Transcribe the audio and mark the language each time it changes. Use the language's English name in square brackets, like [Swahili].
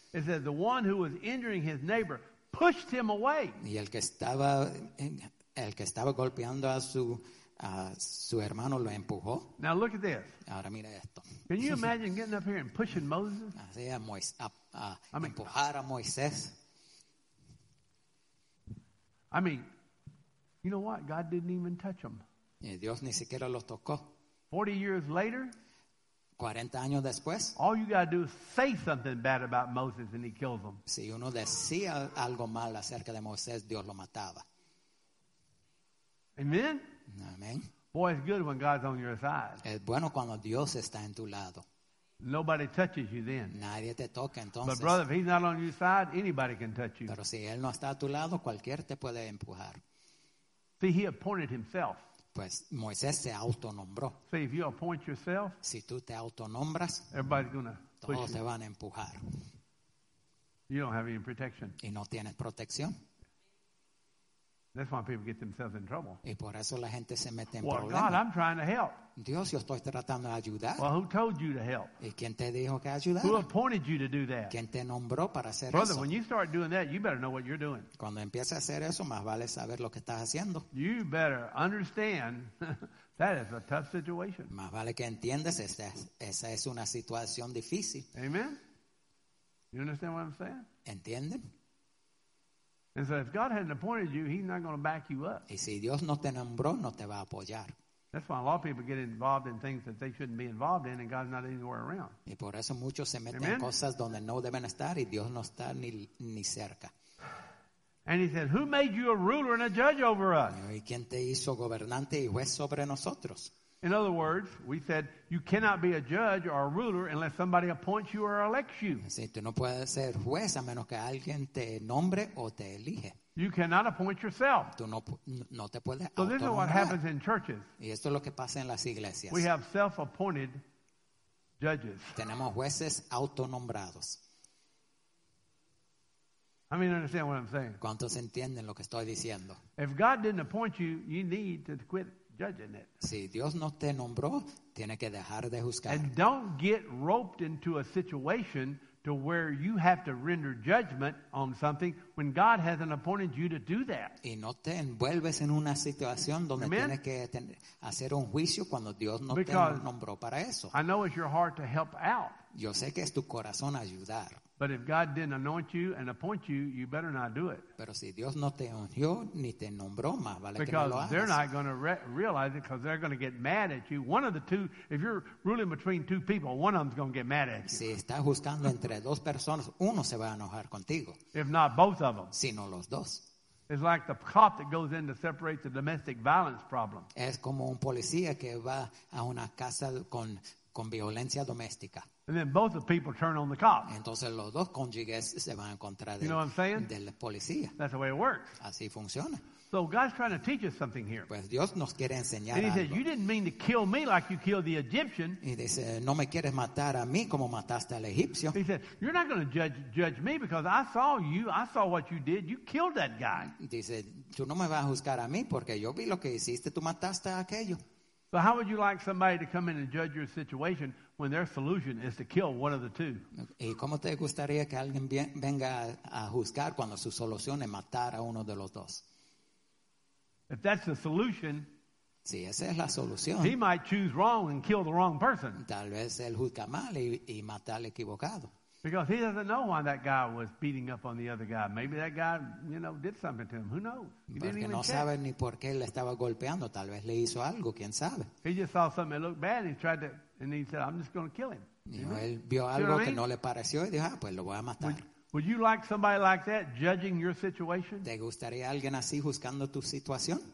[English] It says, the one who was injuring his neighbor pushed him away. [Spanish] Y el que estaba golpeando a su hermano lo empujó. [English] Now look at this. [Spanish] Ahora mira esto. [English] Can you imagine getting up here and pushing Moses? [Spanish] Así a Moisés, empujar a Moisés. [English] I mean, you know what? God didn't even touch him. [Spanish] Y Dios ni siquiera los tocó. [English] 40 years later. [Spanish] 40 años después. [English] All you got to do is say something bad about Moses and he kills him. [Spanish] Si uno decía algo mal acerca de Moisés, Dios lo mataba. [English] Amen. [Spanish] Amen. [English] Boy, it's good when God's on your side. [Spanish] Es bueno cuando Dios está en tu lado. [English] Nobody touches you then. [Spanish] Nadie te toca entonces. [English] But brother, if he's not on your side, anybody can touch you. [Spanish] Pero si él no está a tu lado, cualquier te puede empujar. [English] See, he appointed himself. [Spanish] Pues Moisés se autonombró. [English] See, if you appoint yourself, [Spanish] si tú te autonombras, [English] everybody's gonna [Spanish] todos [English] push [Spanish] te [English] you. [Spanish] Van a empujar. [English] You don't have any protection. [Spanish] Y no tienes protección. [English] That's why people get themselves in trouble. [Spanish] Y por eso la gente se mete en [English] well, [Spanish] problemas. [English] God, I'm trying to help. [Spanish] Dios, yo estoy tratando de ayudar. [English] Well, who told you to help? [Spanish] ¿Y quién te dijo que ayudara? [English] Who appointed you to do that? [Spanish] ¿Quién te nombró para hacer [English] Brother, [Spanish] eso? [English] Brother, when you start doing that, you better know what you're doing. [Spanish] Cuando empieces a hacer eso, más vale saber lo que estás haciendo. [English] You better understand that is a tough situation. [Spanish] Más vale que entiendas, esa es una situación difícil. [English] Amen? You understand what I'm saying? [Spanish] ¿Entienden? [English] And so if God hadn't appointed you, he's not going to back you up. [Spanish] Y si Dios no te nombró, no te va a apoyar. [English] That's why a lot of people get involved in things that they shouldn't be involved in, and God's not anywhere around. [Spanish] Y por eso muchos se meten en cosas donde no deben estar, y Dios no está ni cerca. [English] And he said, who made you a ruler and a judge over us? [Spanish] ¿Y quién te hizo gobernante y juez sobre nosotros? [English] In other words, we said, you cannot be a judge or a ruler unless somebody appoints you or elects you. [Spanish] Sí, tú no puedes ser juez a menos que alguien te nombre o te elige. [English] You cannot appoint yourself. [Spanish] Tú no te puedes autonombrar. [English] So this is what happens in churches. [Spanish] Y esto es lo que pasa en las iglesias. [English] We have self-appointed judges. [Spanish] Tenemos jueces autonombrados. [English] I mean, understand what I'm saying. [Spanish] ¿Cuántos entienden lo que estoy diciendo? [English] If God didn't appoint you, you need to quit judging it. [Spanish] Si Dios no te nombró, tiene que dejar de juzgar. [English] And don't get roped into a situation to where you have to render judgment on something when God hasn't appointed you to do that. [Spanish] Y no te envuelves en una situación donde tienes que hacer un juicio cuando Dios no te nombró para eso. [English] I know it's your heart to help out. [Spanish] Yo sé que es tu corazón ayudar. [English] But if God didn't anoint you and appoint you, you better not do it. [Spanish] Pero si Dios no te ungió ni te nombró, más vale que no lo hagas. [English] Because they're not going to realize it because they're going to get mad at you. One of the two, if you're ruling between two people, one of them's going to get mad at you. [Spanish] Si está juzgando entre dos personas, uno se va a enojar contigo. [English] If not both of them. [Spanish] Si no los dos. [English] It's like the cop that goes in to separate the domestic violence problem. [Spanish] Es como un policía que va a una casa con violencia doméstica. [English] And then both the people turn on the cop. [Spanish] Entonces los dos cónyuges se van a encontrar [English] del, you know what I'm saying? [Spanish] Del policía. [English] That's the way it works. [Spanish] Así funciona. [English] So God's trying to teach us something here. [Spanish] Pues Dios nos quiere enseñar algo. [English] And he says, you didn't mean to kill me like you killed the Egyptian. [Spanish] Y dice, no me quieres matar a mí como mataste al egipcio. [English] He said, you're not going to judge me because I saw you. I saw what you did. You killed that guy. [Spanish] Dice, tú no me vas a juzgar a mí porque yo vi lo que hiciste. Tú mataste a aquello. [English] So how would you like somebody to come in and judge your situation when their solution is to kill one of the two? [Spanish] ¿Y cómo te gustaría que alguien venga a juzgar cuando su solución es matar a uno de los dos? [English] If that's the solution, [Spanish] si esa es la solución, [English] he might choose wrong and kill the wrong person. [Spanish] Tal vez él juzga mal y mata al equivocado. [English] Because he doesn't know why that guy was beating up on the other guy. Maybe that guy, you know, did something to him. Who knows? He [Spanish] porque [English] didn't even [Spanish] no sabe ni por qué le estaba golpeando. Tal vez le hizo algo. ¿Quién sabe? [English] He just saw something that looked bad. He tried to, and he said, I'm just going to kill him. [Spanish] Él vio algo que no le pareció y dijo, ah, pues lo voy a matar. [English] Would you like somebody like that judging your situation? [Spanish] ¿Te gustaría alguien así juzgando tu situación?